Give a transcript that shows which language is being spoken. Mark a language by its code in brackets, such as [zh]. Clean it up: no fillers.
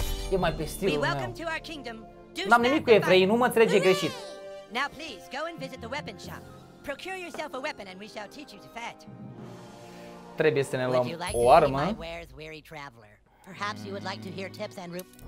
[ro] E mai pe stilul meu. N-am nimic cu evrei, nu mă înțelege greșit. [en] Now please go and visit the weapon shop. Procure yourself a weapon and we shall teach you to fight. [ro] Trebuie să ne luăm o armă. [en] Perhaps you would like to hear tips and roof.